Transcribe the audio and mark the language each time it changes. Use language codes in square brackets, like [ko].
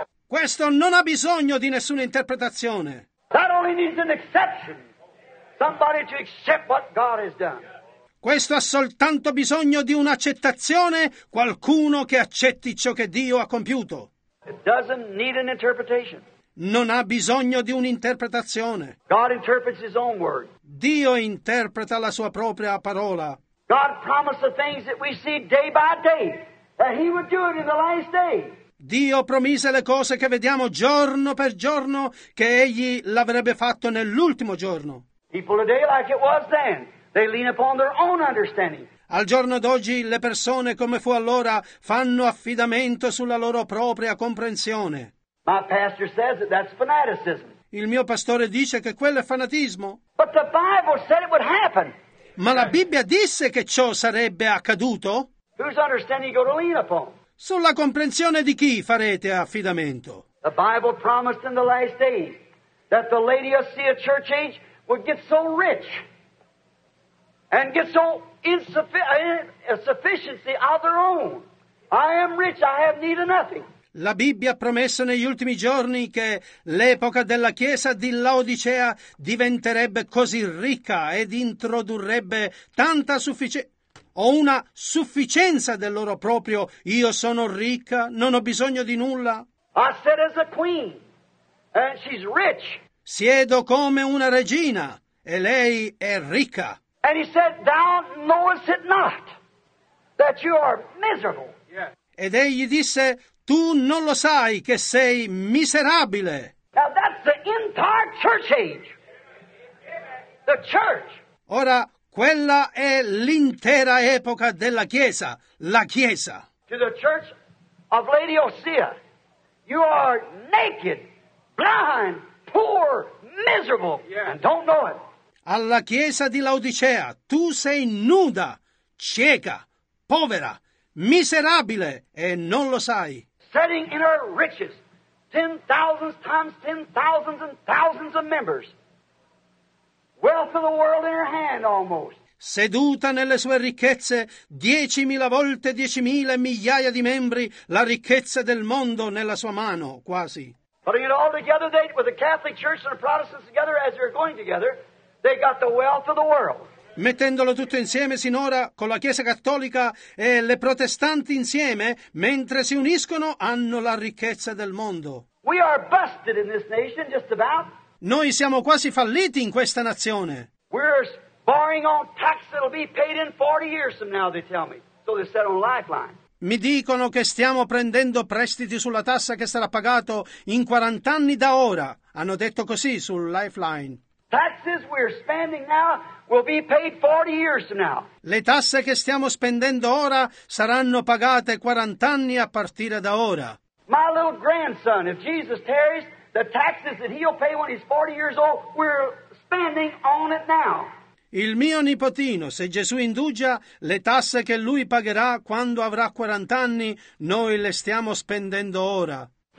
[it] Questo non ha bisogno di nessuna interpretazione. [en] That only needs an exception. Somebody to accept what God has done. [it] Questo ha soltanto bisogno di un'accettazione, qualcuno che accetti ciò che Dio ha compiuto. [en] It doesn't need an interpretation. [it] Non ha bisogno di un'interpretazione. [en] God interprets his own word. [it] Dio interpreta la sua propria parola. [en] God promised the things that we see day by day, that he would do it in the last day. [it] Dio promise le cose che vediamo giorno per giorno che egli l'avrebbe fatto nell'ultimo giorno. [en] People today like it was then. They lean upon their own understanding. [it] Al giorno d'oggi le persone come fu allora fanno affidamento sulla loro propria comprensione. [en] My pastor says that that's fanaticism. [it] Il mio pastore dice che quello è fanatismo. [en] But the Bible said it would happen. [it] Ma la Bibbia disse che ciò sarebbe accaduto. [en] Whose understanding you go to lean upon? [it] Sulla comprensione di chi farete affidamento? [en] The Bible promised in the last days that the Laodicea church age would get so rich. And get so insufficiency of their own. I am rich, I have need of nothing. [it] La Bibbia ha promesso negli ultimi giorni che l'epoca della chiesa di Laodicea diventerebbe così ricca ed introdurrebbe tanta sufficienza, o una sufficienza del loro proprio, io sono ricca, non ho bisogno di nulla. [en] I sit as a queen, and she's rich. [it] Siedo come una regina, e lei è ricca. [en] And he said, thou knowest it not, that you are miserable. Yes. [it] Ed egli disse, tu non lo sai che sei miserabile. [en] Now that's the entire church age. The church. [it] Ora, quella è l'intera epoca della Chiesa, la Chiesa. [en] To the church of Laodicea, you are naked, blind, poor, miserable, yes. And don't know it. [it] Alla chiesa di Laodicea, tu sei nuda, cieca, povera, miserabile, e non lo sai. [en] Sitting in her riches, ten thousands times ten thousands and thousands of members. Wealth of the world in her hand almost. [it] Seduta nelle sue ricchezze, 10.000 volte 10.000 migliaia di membri, la ricchezza del mondo nella sua mano, quasi. [en] Putting it all together, they, with the Catholic Church and the Protestants together as they're going together, they got the wealth of the world. [it] Mettendolo tutto insieme sinora con la Chiesa Cattolica e le protestanti insieme, mentre si uniscono, hanno la ricchezza del mondo. [en] We are busted in this nation just about. [it] Noi siamo quasi falliti in questa nazione. [en] We're borrowing on tax that'll be paid in 40 years from now, they tell me. So they're set on a lifeline. [it] Mi dicono che stiamo prendendo prestiti sulla tassa che sarà pagato in 40 anni da ora. Hanno detto così sul Lifeline. [en] Taxes we're spending now will be paid 40 years from now. [it] Le tasse che stiamo spendendo ora saranno pagate 40 anni a partire da ora. [en] My little grandson, if Jesus tarries, the taxes that he'll pay when he's 40 years old, we're spending on it now. [it] Il mio nipotino, se Gesù indugia, le tasse che lui pagherà quando avrà 40 anni, noi le stiamo spendendo ora.